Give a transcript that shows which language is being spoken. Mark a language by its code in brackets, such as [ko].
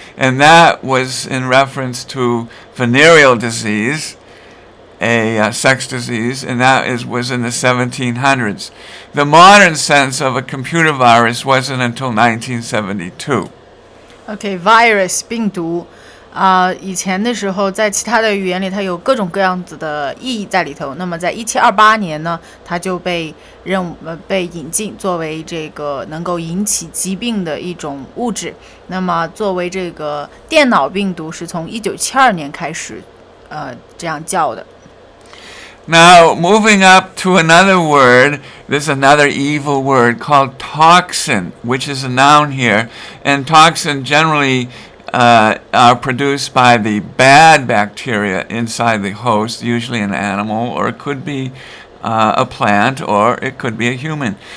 [en] And that was in reference to venereal disease, a sex disease, and that was in the 1700s. The modern sense of a computer virus wasn't until 1972. Okay, virus, 病毒。 [zh] 以前的时候在其他的语言里它有各种各样子的意义在里头，那么在1728年呢，它就被引进作为这个能够引起疾病的一种物质。那么作为这个电脑病毒是从1972年开始这样叫的。 [en] Now, moving up to another word, there's another evil word called toxin, which is a noun here, and toxin generally are produced by the bad bacteria inside the host, usually an animal, or it could be a plant, or it could be a human.